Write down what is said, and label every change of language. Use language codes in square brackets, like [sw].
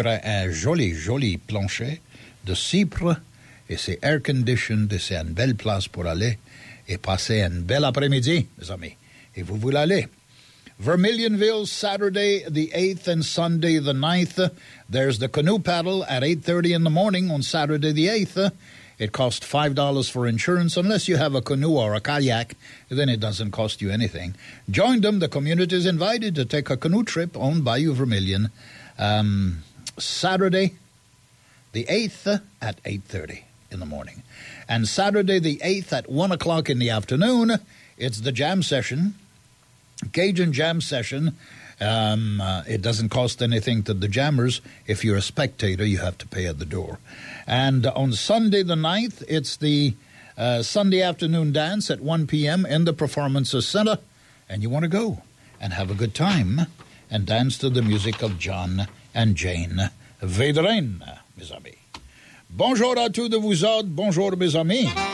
[fr] Sur un joli plancher de cypre, et c'est air-conditioned, et c'est une belle place pour aller et passer un bel après-midi, mes amis. Et vous voulez aller. [en] Vermillionville, Saturday the 8th and Sunday the 9th. There's the canoe paddle at 8:30 in the morning on Saturday the 8th. It costs $5 for insurance. Unless you have a canoe or a kayak, then it doesn't cost you anything. Join them. The community is invited to take a canoe trip on Bayou Vermilion. Saturday the 8th at 8:30 in the morning. And Saturday the 8th at 1 o'clock in the afternoon, it's the jam session, Cajun jam session. It doesn't cost anything to the jammers. If you're a spectator, you have to pay at the door. And on Sunday the 9th, it's the Sunday afternoon dance at 1 p.m. in the Performance Center. And you want to go and have a good time and dance to the music of John and Jane Vidrine, [fr] mes amis. Bonjour à tous de vous autres, bonjour mes amis.